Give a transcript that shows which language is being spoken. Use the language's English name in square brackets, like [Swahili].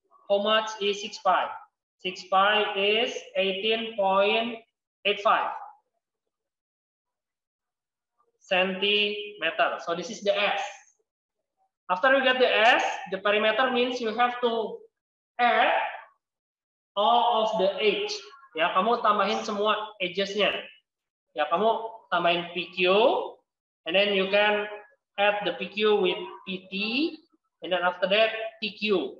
[English] How much is 6 pi? 6 pi is 18.85 centimeter. So this is the S. After you get the S, the perimeter means you have to add all of the edge. [Indonesian] Ya, kamu tambahin semua edges-nya. [English] Ya, kamu tambahin PQ, and then you can add the PQ with PT, and then after that TQ.